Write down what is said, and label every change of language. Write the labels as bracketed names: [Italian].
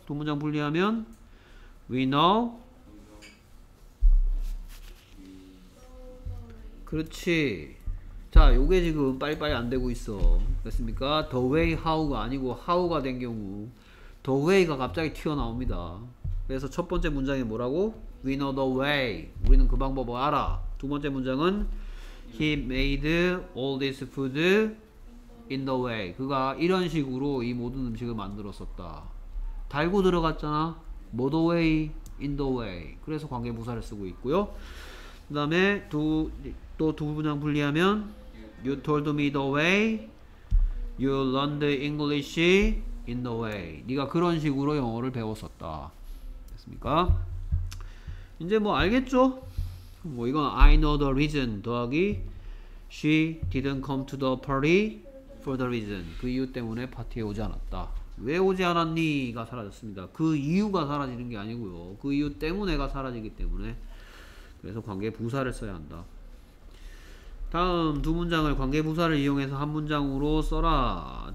[Korean] 두 문장 분리하면 [English] we know, [Korean] 그렇지. 자, 요게 지금 빨리빨리 안 되고 있어. 됐습니까? The way, how가 아니고 how가 된 경우 The way가 갑자기 튀어나옵니다. 그래서 첫 번째 문장이 뭐라고? [English] We know the way. [Korean] 우리는 그 방법을 알아. 두 번째 문장은 [English] He made all this food in the way. [Korean] 그가 이런 식으로 이 모든 음식을 만들었었다. 달고 들어갔잖아. [English] More the way, in the way. [Korean] 그래서 관계부사를 쓰고 있고요. 그 다음에 또 두 문장 분리하면 [English] You told me the way You learned English in the way. [Korean] 네가 그런 식으로 영어를 배웠었다. 됐습니까? 이제 뭐 알겠죠? 뭐 이건 [English] I know the reason 더하기 She didn't come to the party for the reason. [Korean] 그 이유 때문에 파티에 오지 않았다. 왜 오지 않았니가 사라졌습니다. 그 이유가 사라지는 게 아니고요. 그 이유 때문에가 사라지기 때문에 그래서 관계 부사를 써야 한다. 다음 두 문장을 관계 부사를 이용해서 한 문장으로 써라.